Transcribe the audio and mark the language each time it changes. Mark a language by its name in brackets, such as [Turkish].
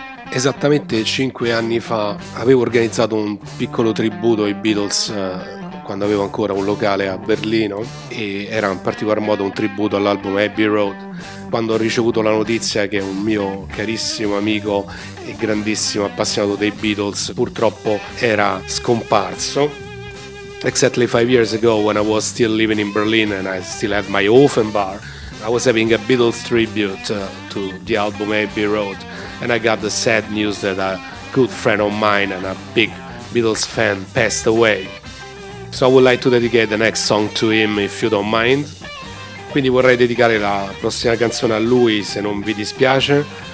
[Italian] Esattamente 5 anni fa avevo organizzato un piccolo tributo ai Beatles quando avevo ancora un locale a Berlino e era in particolar modo un tributo all'album Abbey Road. Quando ho ricevuto la notizia che un mio carissimo amico e grandissimo appassionato dei Beatles purtroppo era scomparso. [English] Exactly 5 years ago when I was still living in Berlin and I still had my Offenbar, I was having a Beatles tribute to the album Abbey Road and I got the sad news that a good friend of mine and a big Beatles fan passed away. So I would like to dedicate the next song to him if you don't mind. [Italian] Quindi vorrei dedicare la prossima canzone a lui se non vi dispiace.